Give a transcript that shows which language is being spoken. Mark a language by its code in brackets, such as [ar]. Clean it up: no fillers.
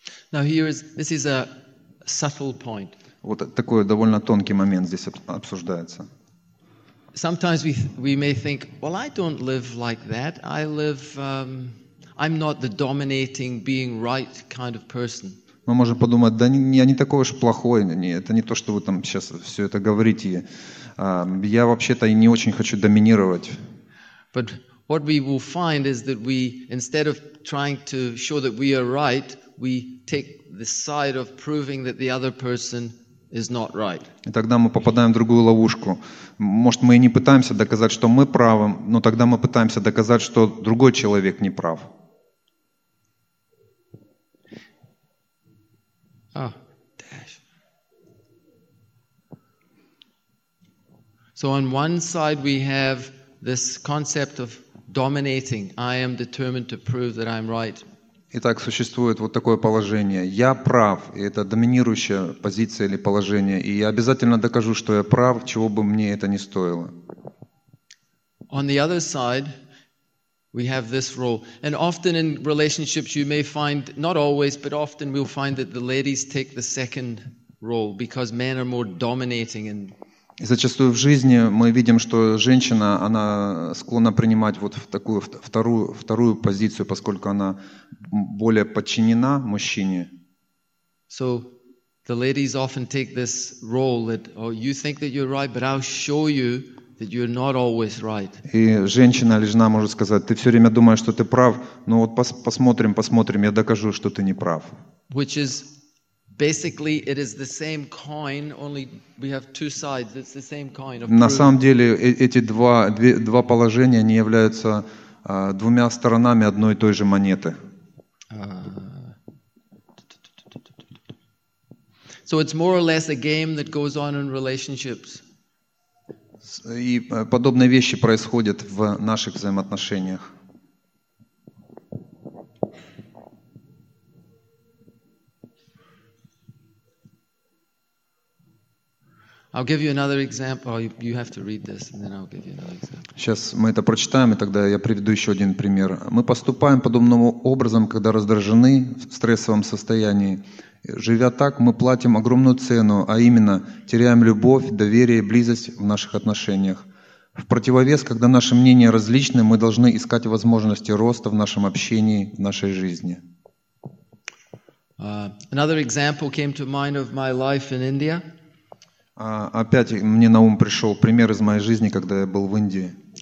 [en] Now here is, this is a subtle point. [ru] Вот такой довольно тонкий момент здесь обсуждается. [en] Sometimes we may think, well, I don't live like that. I live, I'm not the dominating, being right kind of person. [ru] Мы можем подумать, да я не такой уж плохой, это не то, что вы там сейчас все это говорите. Я вообще-то и не очень хочу доминировать. [en] But what we will find is that we, instead of trying to show that we are right, we take the side of proving that the other person is not right. [ru] И тогда мы попадаем в другую ловушку. Может, мы и не пытаемся доказать, что мы правы, но тогда мы пытаемся доказать, что другой человек не прав. [en] Oh, dash. So on one side we have this concept of dominating. I am determined to prove that I'm right. [ru] Итак, существует вот такое положение. Я прав, и это доминирующая позиция или положение, и я обязательно докажу, что я прав, чего бы мне это ни стоило. [en] On the other side, we have this role. And often in relationships you may find, not always, but often we'll find that the ladies take the second role because men are more dominating and [ru] И зачастую в жизни мы видим, что женщина, она склонна принимать вот в такую вторую позицию, поскольку она более подчинена мужчине. [en] So the ladies often take this role that, oh, you think that you're right, but I'll show you that you're not always right. [ru] И женщина или жена может сказать, ты все время думаешь, что ты прав, но вот посмотрим, я докажу, что ты не прав. [en] Which is basically, it is the same coin, only we have two sides. It's the same coin. [ru] На самом деле, эти два положения, они являются двумя сторонами одной и той же монеты. [en] So it's more or less a game that goes on in relationships. [ru] И подобные вещи происходят в наших взаимоотношениях. [en] I'll give you another example. You have to read this, and then I'll give you another example. [ru] Сейчас мы это прочитаем, и тогда я приведу еще один пример. Мы поступаем подобным образом, когда раздражены в стрессовом состоянии. Живя так, мы платим огромную цену, а именно теряем любовь, доверие, близость в наших отношениях. В противовес, когда наши мнения различны, мы должны искать возможности роста в нашем общении, в нашей жизни. [en] Another example came to mind of my life in India. [ru] Опять мне на ум пришел пример из моей жизни, когда я был в Индии.